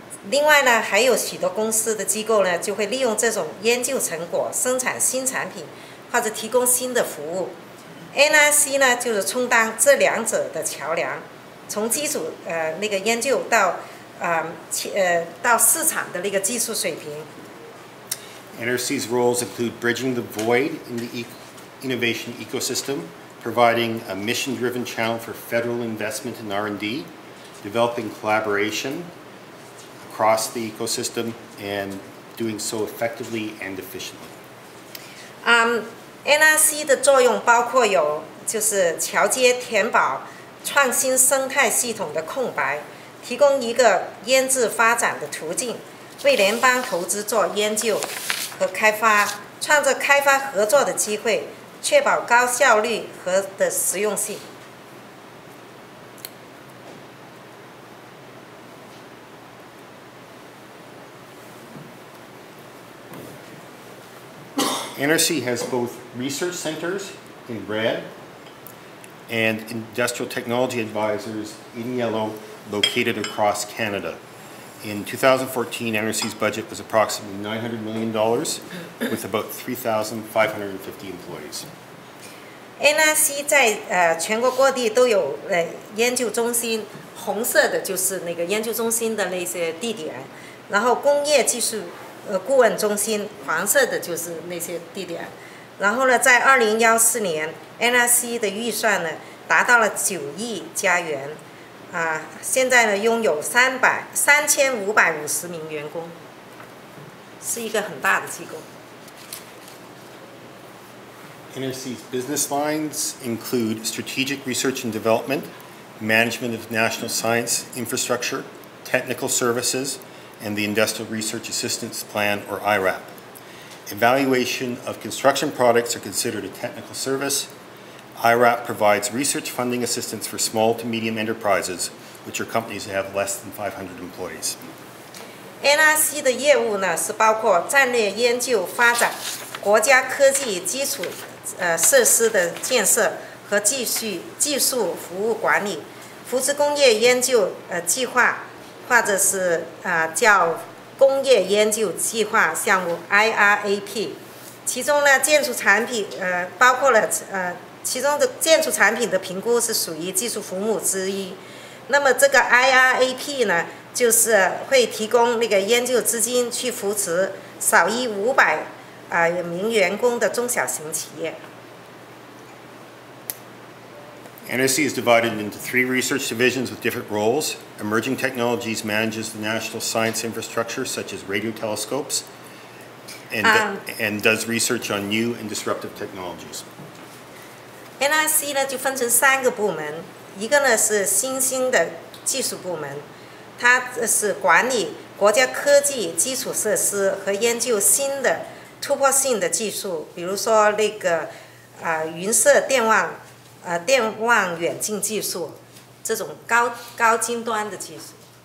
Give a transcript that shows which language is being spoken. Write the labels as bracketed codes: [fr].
[zh] 另外呢，还有许多公司的机构呢，就会利用这种研究成果生产新产品，或者提供新的服务。 NRC 呢，就是充当这两者的桥梁，从基础那个研究到市场的那个技术水平。 [en] NRC's roles include bridging the void in the innovation ecosystem. Providing a mission-driven channel for federal investment in R&D, developing collaboration across the ecosystem, and doing so effectively and efficiently. [zh] NRC 的作用包括有就是桥接填饱创新生态系统的空白，提供一个研制发展的途径，为联邦投资做研究和开发，创造开发合作的机会。确保高效率和的实用性。 [en] NRC has both research centers in red and industrial technology advisors in yellow located across Canada. In 2014, NRC's budget was approximately $900 million with about 3,550 employees. [zh] NRC 在全国各地都有研究中心，红色的就是那个研究中心的那些地点，然后工业技术顾问中心，黄色的就是那些地点，然后呢，在2014年 ，NRC 的预算呢达到了9亿加元，现在呢拥有3,550名员工，是一个很大的机构。 [en] NRC's business lines include strategic research and development, management of national science infrastructure, technical services, and the Industrial Research Assistance Plan, or IRAP. Evaluation of construction products are considered a technical service. IRAP provides research funding assistance for small to medium enterprises, which are companies that have less than 500 employees. [zh] NRC 的业务呢是包括战略研究发展、国家科技基础设施的建设和技术服务管理，扶持工业研究计划，或者是叫工业研究计划项目 IRAP， 其中呢建筑产品包括了其中的建筑产品的评估是属于技术服务之一，那么这个 IRAP 呢就是会提供那个研究资金去扶持少于500。名员工的中小型企业。 [en] NRC is divided into three research divisions with different roles. Emerging Technologies manages the national science infrastructure, such as radio telescopes, and does research on new and disruptive technologies. [zh] NRC 呢就分成三个部门，一个呢是新兴的技术部门，它是管理国家科技基础设施和研究新的突破性的技术，比如说那个云色电网电网远近技术，这种高精端的技术。